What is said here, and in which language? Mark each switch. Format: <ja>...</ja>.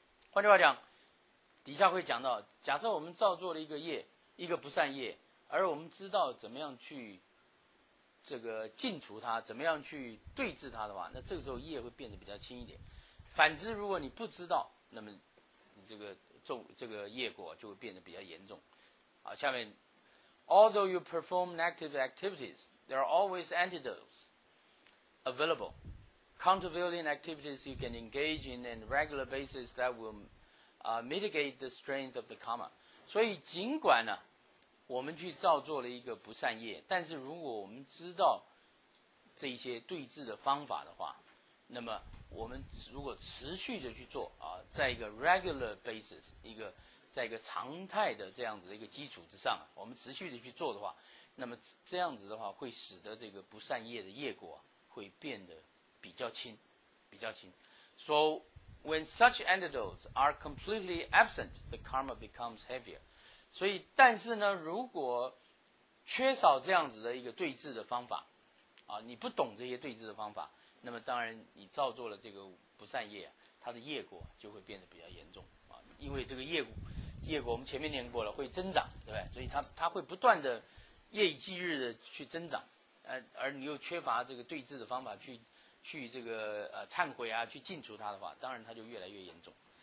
<zh>换句话讲，底下会讲到假设我们造作了一个业，一个不善业，而我们知道怎么样去这个禁除它，怎么样去对治它的话，那这个时候业会变得比较轻一点。反之，如果你不知道，那么你这个业果就会变得比较严重。好，下面</zh> <en>Although you perform negative activities, there are always antidotes available. Countervailing activities you can engage in on a regular basis that will mitigate the strength of the karma.</en> <zh>所以尽管呢，我们去造作了一个不善业，但是如果我们知道这些对治的方法的话，那么我们如果持续的去做啊，在一个</zh> <en>regular basis，</en> <zh>一个在一个常态的这样子的一个基础之上，我们持续的去做的话，那么这样子的话会使得这个不善业的业果会变得比较轻，比较轻。</zh> <en>So when such antidotes are completely absent, the karma becomes heavier.</en> <zh>所以但是呢，如果缺少这样子的一个对治的方法啊，你不懂这些对治的方法，那么当然你造作了这个不善业，它的业果就会变得比较严重啊，因为这个业果我们前面念过了，会增长，对不对？所以它会不断的夜以继日的去增长，而你又缺乏这个对治的方法去这个忏悔啊，去净除它的话，当然它就越来越严重。</zh>